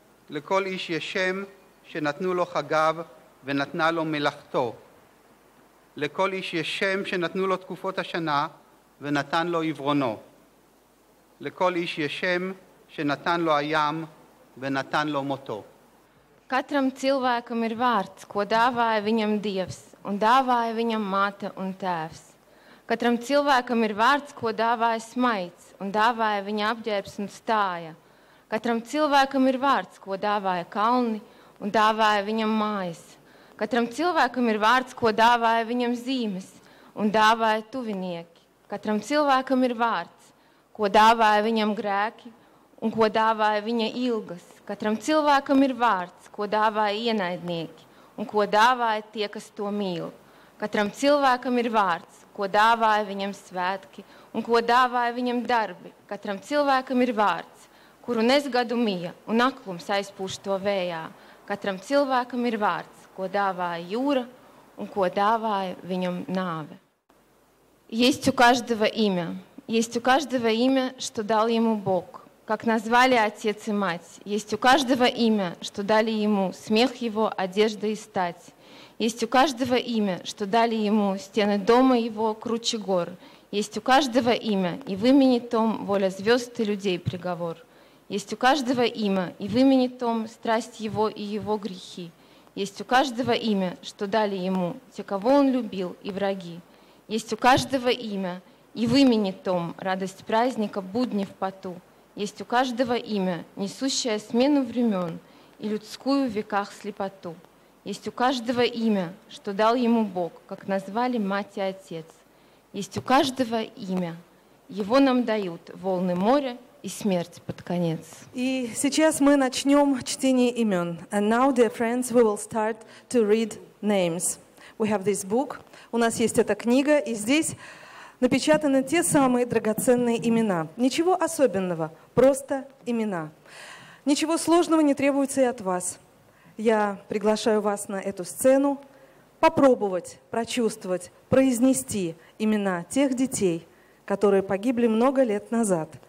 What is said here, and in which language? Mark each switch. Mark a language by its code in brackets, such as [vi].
[he] לכל איש יש שם שנתנו לו חגיו ונתנה לו מלאכתו. לכל איש יש שם שנתנו לו תקופות השנה ונתן לו עברונו. לכל איש יש שם שנתן לו הים ונתן לו מותו. [lv] Katram cilvēkam ir vārds, ko dāvāja viņam Dievs, un dāvāja viņam māte un tēvs. Katram cilvēkam ir vārds, ko dāvāja smaids, un dāvāja viņa apģērbs un stāja. Katram cilvēkam ir vārds, ko dāvāja kalni, un dāvāja viņam mājas. Katram cilvēkam ir vārds, ko dāvāja viņam zīmes, un dāvāja tuvinieki. Katram cilvēkam ir vārds, ko dāvāja viņam grēki, un ko dāvāja viņa ilgas. Katram cilvēkam ir vārds, ko dāvāja ienaidnieki, un ko dāvāja tie, kas to mīl. Katram cilvēkam ir vārds, ko dāvāja viņam svētki, un ko dāvāja viņam darbi. Katram cilvēkam ir vārds, kuru nezgadu mija, un aklums aizpūš to vējā. Katram cilvēkam ir vārds, ko dāvāja jūra, un ko dāvāja viņam nāve. [ru] Есть у каждого имя. Есть у каждого имя, что дал ему Бог. Как назвали отец и мать. Есть у каждого имя, что дали ему смех его, одежда и стать. Есть у каждого имя, что дали ему стены дома его, круче гор. Есть у каждого имя, и в имени том воля звезд и людей приговор. Есть у каждого имя, и в имени том страсть его и его грехи. Есть у каждого имя, что дали ему те, кого он любил, и враги. Есть у каждого имя, и в имени том радость праздника, будни в поту. Есть у каждого имя, несущая смену времен и людскую в веках слепоту. Есть у каждого имя, что дал ему Бог, как назвали мать и отец. Есть у каждого имя, его нам дают волны моря и смерть под конец. И сейчас мы начнем чтение имен. [en] And now, dear friends, we will start to read names. We have this book. [ru] У нас есть эта книга, и здесь напечатаны те самые драгоценные имена. Ничего особенного, просто имена. Ничего сложного не требуется и от вас. Я приглашаю вас на эту сцену попробовать, прочувствовать, произнести имена тех детей, которые погибли много лет назад.